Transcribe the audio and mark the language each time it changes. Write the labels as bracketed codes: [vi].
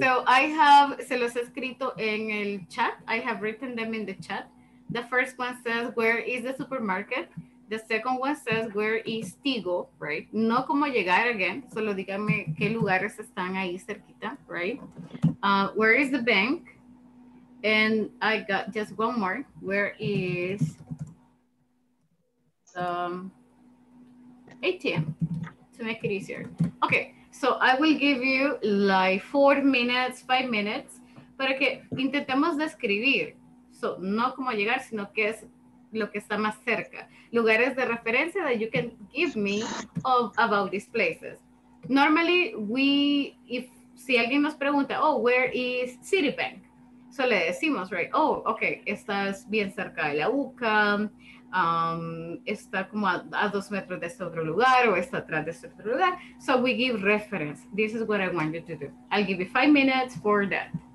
[es] So I have, se los he escrito en el chat. [en] I have written them in the chat. The first one says, where is the supermarket? The second one says, where is Tigo, right? [es] No como llegar again, solo dígame qué lugares están ahí cerquita, right? [en] Where is the bank? And I got just one more. Where is ATM, to make it easier. Okay, so I will give you like 4 minutes, 5 minutes, para que intentemos describir. [es] So, no como llegar, sino que es lo que está más cerca. [en] Lugares de referencia that you can give me of about these places. Normally, we, if, si alguien nos pregunta, oh, where is Citibank? [es] So, le decimos, right, oh, okay, estás bien cerca de la UCA, está como a 2 metros de este otro lugar o está atrás de este otro lugar. [en] So, we give reference. This is what I want you to do. I'll give you 5 minutes for that.